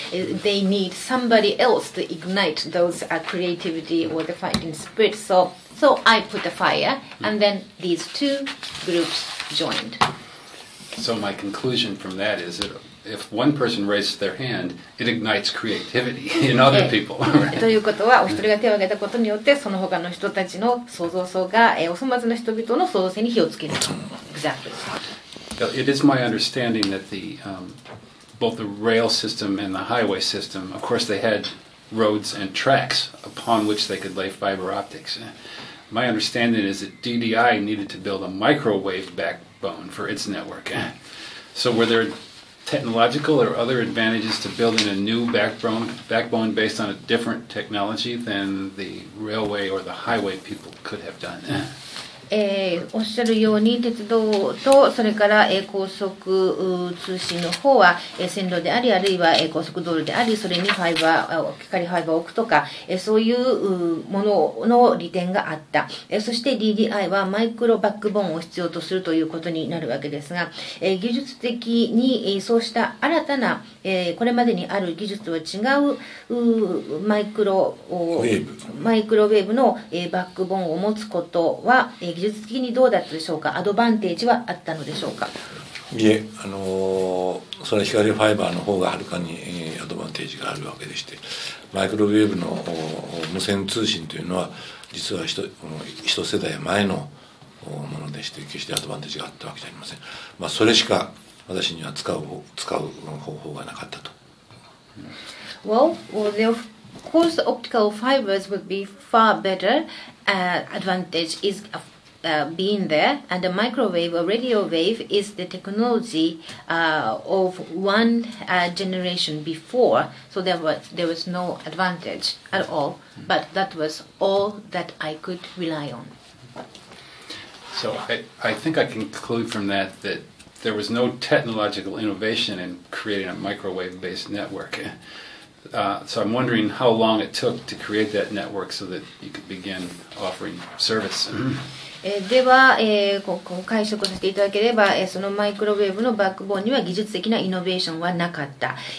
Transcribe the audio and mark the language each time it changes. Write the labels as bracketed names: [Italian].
[English] They need somebody else to ignite those creativity or the fighting spirit. So I put the fire, and then these two groups joined. So my conclusion from that is that if one person raises their hand, it ignites creativity in other people. [Japanese] ということは、お一人が手を挙げたことによって、その他の人たちの創造性が、お粗末な人々の創造性に火をつける。 [English] Exactly. It is my understanding that both the rail system and the highway system, of course, they had roads and tracks upon which they could lay fiber optics. My understanding is that DDI needed to build a microwave backbone for its network. So were there technological or other advantages to building a new backbone based on a different technology than the railway or the highway people could have done? [Japanese] おっしゃるように鉄道とそれから高速通信の方は線路であり、あるいは高速道路であり、それにファイバー、光ファイバーを置くとか、そういうものの利点があった。そして DDI はマイクロバックボーンを必要とするということになるわけですが、技術的にそうした新たな、これまでにある技術とは違うマイクロウェーブのバックボーンを持つことは技術的にどうだったでしょうか。アドバンテージはあったのでしょうか。いえ、それは光ファイバーの方がはるかにアドバンテージがあるわけでして、マイクロウェーブの無線通信というのは実は一世代前のものでして、決してアドバンテージがあったわけじゃありません。まあ、それしか私には使う方法がなかったと。 [English] Well, of course, optical fibers would be far better. Advantage is being there, and the microwave or radio wave is the technology of one generation before. So there was no advantage at all. But that was all that I could rely on. So I think I conclude from that. There was no technological innovation in creating a microwave-based network. So I'm wondering how long it took to create that network so that you could begin offering service. [Japanese] では、ここを解釈させていただければ、そのマイクロウェーブのバックボーンには技術的なイノベーションはなかった。